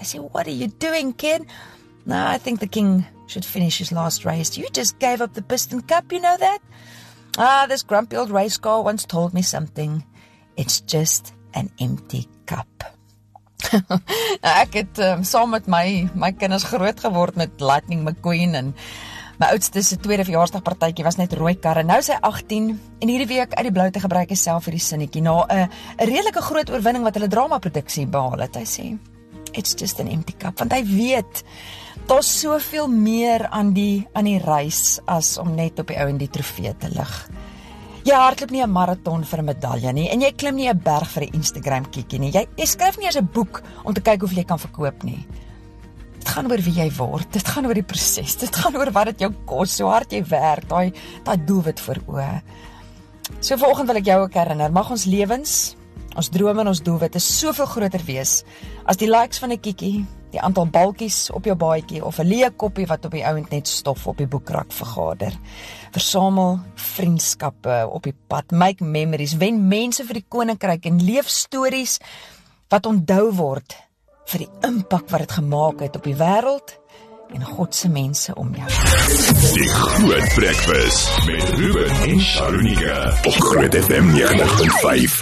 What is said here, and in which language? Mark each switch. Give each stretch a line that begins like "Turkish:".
Afrikaans: Hy sê,
English: what are you doing, kid? No, I think the king should finish his last race. You just gave up the Piston Cup, you know that? Ah, this grumpy old race car once told me something. It's just an empty cup.
Afrikaans: Nou, ek het saam met my kinders groot geword met Lightning McQueen, en my oudste se tweede verjaarsdagpartytjie was net rooi karre. Nou is hy 18 en hierdie week uit die blou te gebruik hy self vir die sinnetjie na 'n redelike groot oorwinning wat hulle dramaproduksie behaal het. Hy sê,
English: it's just an empty cup,
Afrikaans: want hy weet daar's soveel meer aan die reis as om net op die ou en die trofee te lig. Jy hardloop nie 'n marathon vir 'n medalje nie, en jy klim nie 'n berg vir 'n Instagram kiekie nie. Jy skryf nie eens 'n boek om te kyk hoeveel jy kan verkoop nie. Dit gaan oor wie jy word, dit gaan oor die proses, dit gaan oor wat dit jou kos, so hard jy werk, daai doelwit voor oë. So vanoggend wil ek jou ook herinner, mag ons lewens, ons drome en ons doelwit is soveel groter wees as die likes van 'n kiekie, die aantal balkies op jou baadjie of 'n leë koppie wat op die ouend net stof op die boekrak vergader. Versamel vriendskappe op die pad,
English: make memories,
Afrikaans: wen mense vir die koninkryk en leef stories wat onthou word vir die impak wat dit gemaak het op die wêreld en God se mense om jou. Die Groot Breakfast met Ruben en Sharunika op Groot FM 90.5.